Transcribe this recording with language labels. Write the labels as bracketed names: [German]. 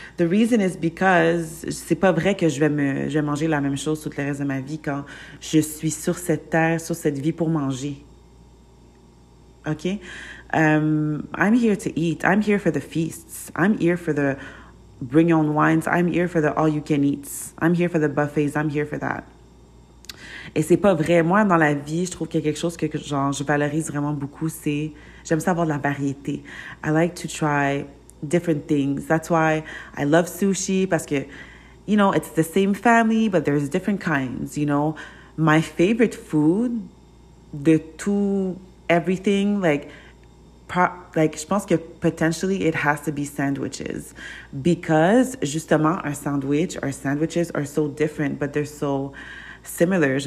[English] The reason is because c'est pas vrai que je vais manger la même chose tout le reste de ma vie quand je suis sur cette terre, sur cette vie pour manger. Okay, I'm here to eat. I'm here for the feasts. I'm here for the bring your own wines. I'm here for the all you can eats. I'm here for the buffets. I'm here for that. [French] Et c'est pas vrai. Moi, dans la vie, je trouve qu'il y a quelque chose que genre je valorise vraiment beaucoup. C'est j'aime ça avoir de la variété. [English] I like to try different things. That's why I love sushi, [French] parce que, [English] you know, it's the same family, but there's different kinds. You know, my favorite food [French] de tout. [English] Everything, [French] je pense que [English] potentially it has to be sandwiches, because justement our sandwiches are so different, but they're so similar.